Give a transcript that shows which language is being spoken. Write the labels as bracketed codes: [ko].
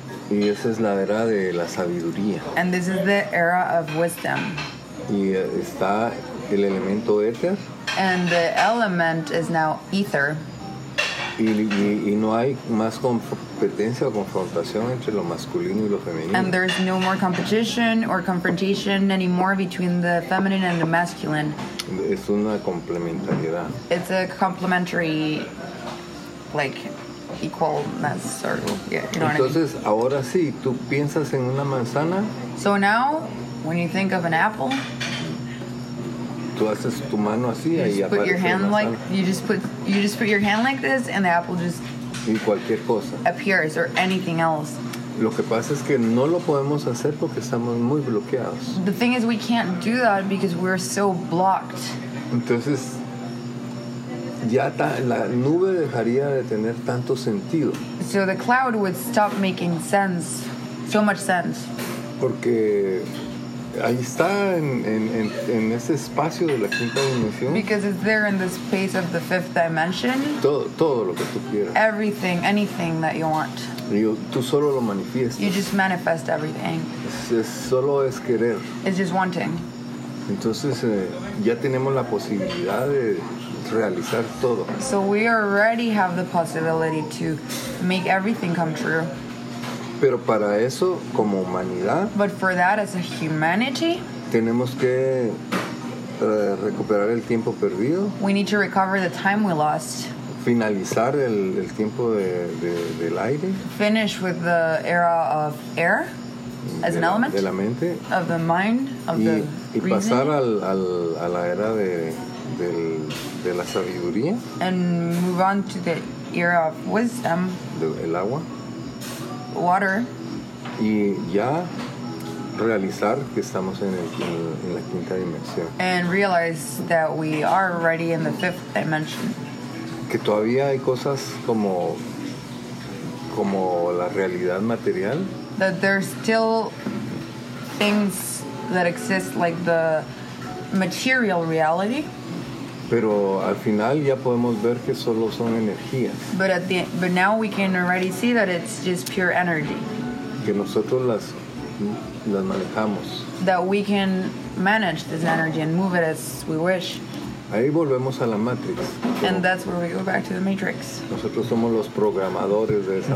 [es] y esa es la era de la sabiduría [en] and this is the era of wisdom [es] y está el elemento éter [en] and the element is now ether [es] y no hay más competencia o confrontación entre lo masculino y lo femenino [en] and there's no more competition or confrontation anymore between the feminine and the masculine [es] es una complementariedad [en] it's a complementary like equalness or yeah you know [es] entonces [en] what I mean? [es] Ahora sí tú piensas en una manzana [en] so now when you think of an apple [es] tú haces tu mano así [en] you [es] y [en] put your hand like you just put your hand like this and the apple just [es] y cualquier cosa [en] appears or anything else [es] lo que pasa es que no lo podemos hacer porque estamos muy bloqueados [en] the thing is we can't do that because we're so blocked [es] entonces ya la nube dejaría de tener tanto sentido. [en] So the cloud would stop making sense, so much sense. [es] Porque ahí está en ese espacio de la quinta dimensión. [en] Because it's there in the space of the fifth dimension. [es] Todo lo que tú quieras. [en] Everything, anything that you want. [es] Tú solo lo manifiestas. [en] You just manifest everything. [es] Solo es querer. [en] It's just wanting. [es] Entonces ya tenemos la posibilidad de realizar todo. [en] So we already have the possibility to make everything come true. [es] Pero para eso, como humanidad, [en] but for that, as a humanity, [es] tenemos que recuperar el tiempo perdido. [en] We need to recover the time we lost. [es] Finalizar el tiempo del aire. [en] Finish with the era of air. As an element [es] de la mente, [en] of the mind of [es] y, [en] the [es] y pasar a la era de la sabiduría [en] and move on to the era of wisdom [es] el agua [en] water [es] y ya realizar que estamos en la quinta dimensión [en] and realize that we are already in the fifth dimension [es] que todavía hay cosas como la realidad material [en] that there's still things that exist like the material reality [es] pero al final ya podemos ver que solo son energías [en] but now we can already see that it's just pure energy [es] que nosotros las manejamos [en] that we can manage this energy and move it as we wish [es] ahí volvemos a la matrix [en] and that's where we go back to the matrix [es] nosotros somos los programadores de esa